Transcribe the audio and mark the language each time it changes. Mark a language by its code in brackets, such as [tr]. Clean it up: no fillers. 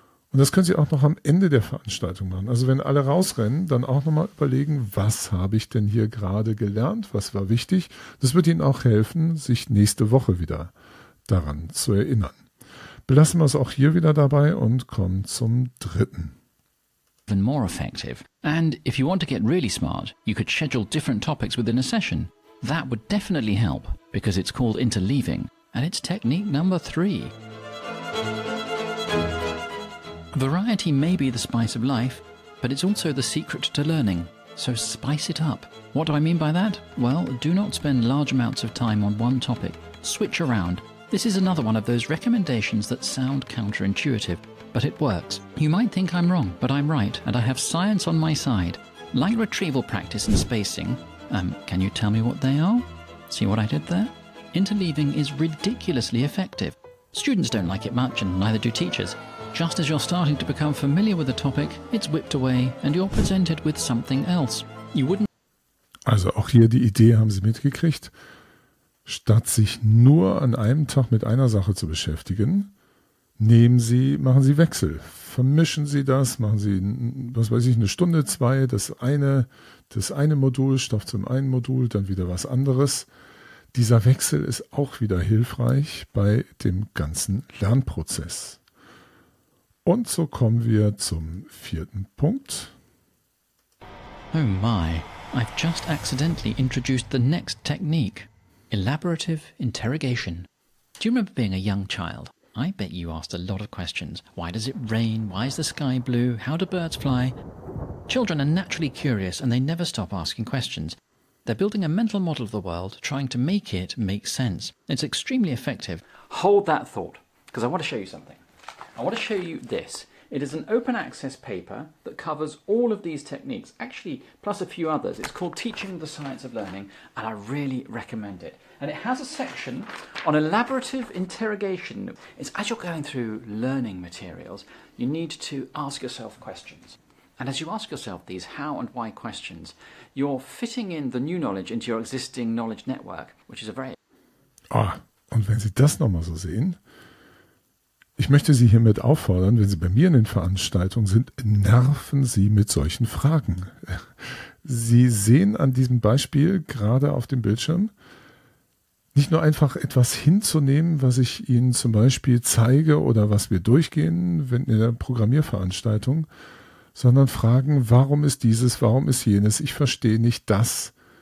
[de] Und das können Sie auch noch am Ende der Veranstaltung machen. Also wenn alle rausrennen, dann auch nochmal überlegen, was habe ich denn hier gerade gelernt, was war wichtig. Das wird Ihnen auch helfen, sich nächste Woche wieder daran zu erinnern. Belassen wir es auch hier wieder dabei und kommen zum dritten. [en] Even more effective. And if you want to get really smart, you could schedule different topics within a session. That would definitely help, because it's called interleaving, and it's technique number 3. Variety may be the spice of life, but it's also the secret to learning. So spice it up. What do I mean by that? Well, do not spend large amounts of time on one topic. Switch around. This is another one of those recommendations that sound counterintuitive, but it works. You might think I'm wrong, but I'm right, and I have science on my side. Like retrieval practice and spacing. Can you tell me what they are? See what I did there? Interleaving is ridiculously effective. Students don't like it much, and neither do teachers. Just as you're starting to become familiar with a topic, it's whipped away and you're presented with something else. You wouldn't. Also auch hier die Idee haben Sie mitgekriegt. Statt sich nur an einem Tag mit einer Sache zu beschäftigen, machen Sie Wechsel. Vermischen Sie das, machen Sie, was weiß ich, eine Stunde, zwei, das eine Modul, Stoff zum einen Modul, dann wieder was anderes. Dieser Wechsel ist auch wieder hilfreich bei dem ganzen Lernprozess. Und so kommen wir zum vierten Punkt. Oh my, I've just accidentally introduced the next technique. Elaborative interrogation. Do you remember being a young child? I bet you asked a lot of questions. Why does it rain? Why is the sky blue? How do birds fly? Children are naturally curious and they never stop asking questions. They're building a mental model of the world, trying to make it make sense. It's extremely effective. Hold that thought, because I want to show you something. I want to show you this. It is an open access paper that covers all of these techniques, actually, plus a few others. It's called Teaching the Science of Learning, and I really recommend it. And it has a section on elaborative interrogation. It's as you're going through learning materials, you need to ask yourself questions. And as you ask yourself these how and why questions, you're fitting in the new knowledge into your existing knowledge network, which is a very... [de] Ah, und wenn Sie das nochmal so sehen, ich möchte Sie hiermit auffordern, wenn Sie bei mir in den Veranstaltungen sind, nerven Sie mit solchen Fragen. Sie sehen an diesem Beispiel gerade auf dem Bildschirm, nicht nur einfach etwas hinzunehmen, was ich Ihnen zum Beispiel zeige oder was wir durchgehen wenn in der Programmierveranstaltung, sondern fragen, warum ist dieses, warum ist jenes, ich verstehe nicht das.